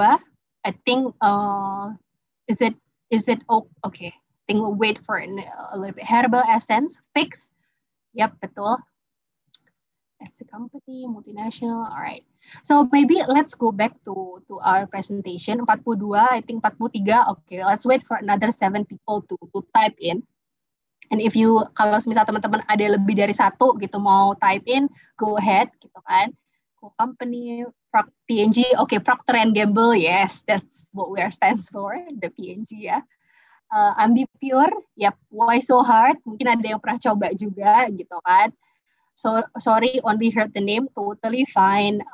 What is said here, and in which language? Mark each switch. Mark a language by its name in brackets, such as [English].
[English] I think, is it, oh, okay. I think we'll wait for a little bit. Herbal Essence, Fix. Yep, betul. It's a company, multinational, alright. So maybe let's go back to our presentation. 42, I think 43, okay. Let's wait for another 7 people to type in. And if you, [Indonesian] kalau misal teman-teman ada lebih dari satu gitu, mau [English] type in, go ahead, [Indonesian] gitu kan. [English] Company, PNG, okay, Procter & Gamble, yes, that's what we are stands for, the PNG, ya. Yeah. Ambipure, yep, why so hard? [Indonesian] Mungkin ada yang pernah coba juga, gitu kan. [English] So sorry, only heard the name, totally fine.